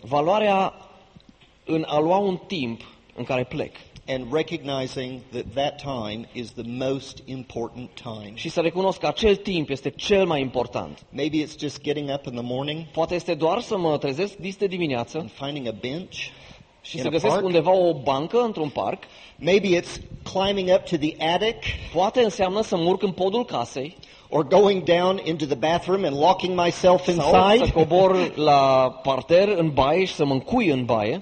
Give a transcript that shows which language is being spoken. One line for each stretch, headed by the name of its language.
Romanian: Valoarea în a lua un timp în care plec.
English: And recognizing that that time is the most important time.
Romanian: Și să recunosc că acel timp este cel mai important.
English: Maybe it's just getting up in the morning.
Romanian: Poate este doar să mă trezesc dis de dimineață.
English: And finding a bench.
Romanian: Și să găsesc undeva o bancă într-un parc.
English: Maybe it's climbing up to the attic.
Romanian: Poate înseamnă să mă urc în podul casei.
English: Or going down into the bathroom and locking myself inside.
Romanian: Sau să cobor la parter în baie și să mă încui în baie.